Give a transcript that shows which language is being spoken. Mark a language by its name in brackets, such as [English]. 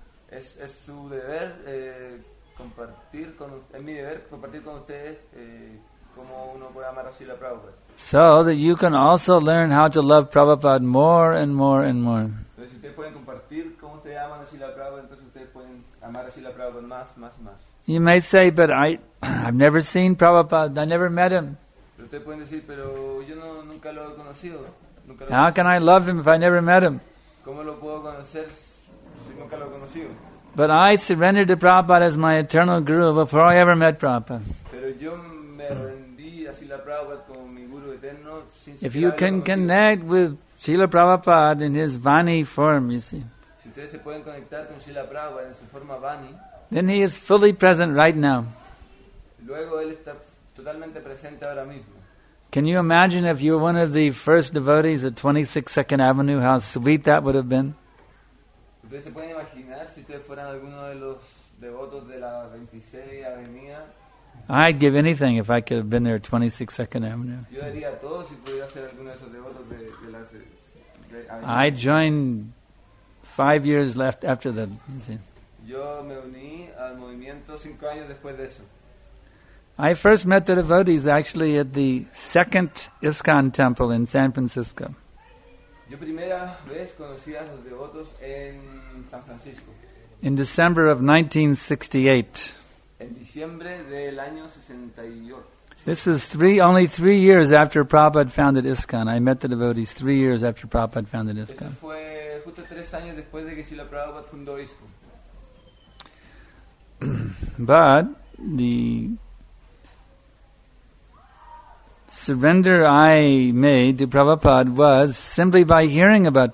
[Spanish] Es su deber compartir con es mi deber compartir con ustedes cómo uno puede amar a Srila Prabhupada. [English] So that you can also learn how to love Prabhupada more and more and more. [Spanish] Entonces ustedes pueden compartir cómo te aman a Srila Prabhupada, entonces ustedes pueden amar a Srila Prabhupada más, más, más. [English] You may say, but I've never seen Prabhupada. I never met him. [Spanish] Pero ustedes pueden decir, pero yo no nunca lo he conocido. [English] How can I love him if I never met him? [Spanish] ¿Cómo lo puedo conocer si nunca lo he conocido? [English] But I surrendered to Prabhupada as my eternal guru before I ever met Prabhupada. [Spanish] Pero yo me rendí a Srila Prabhupada como mi guru eterno sin [English] if you can connect with Srila Prabhupada in his Vani form, you see. [Spanish] Si ustedes se pueden conectar con Srila Prabhupada en su forma Vani, [English] then he is fully present right now. [Spanish] Luego él está totalmente presente ahora mismo. [English] Can you imagine if you were one of the first devotees at 26 Second Avenue, how sweet that would have been? [Spanish] ¿Ustedes se pueden imaginar si ustedes fueran alguno de los devotos de la 26 Avenida? [English] I'd give anything if I could have been there at 26 Second Avenue. [Spanish] Yo daría todo si pudiera ser alguno de esos devotos de la [English] I joined 5 years left after that. You see. [Spanish] Yo me uní al movimiento 5 años después de eso. [English] I first met the devotees actually at the second ISKCON temple in San Francisco. [Spanish] Yo primera vez conocí a los devotos en San Francisco. [English] In December of 1968. [Spanish] En diciembre del año 68. [English] This is only three years after Prabhupada founded ISKCON. I met the devotees 3 years after Prabhupada founded ISKCON. [Spanish] Eso fue justo 3 años después de que Srila Prabhupada fundó ISKCON. [English] But the surrender I made to Prabhupada was simply by hearing about